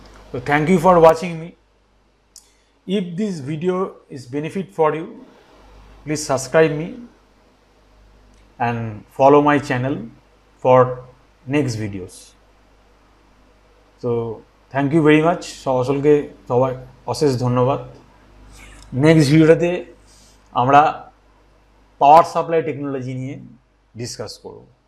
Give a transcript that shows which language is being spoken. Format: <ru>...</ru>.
<en>তো thank you for watching me, if this video is benefit for you please subscribe me and follow my channel for next videos. So thank you very much</en> <bn>সকলকে, সবাই অশেষ ধন্যবাদ। Next ভিডিওটাতে আমরা power supply technology নিয়ে discuss করবো।</bn>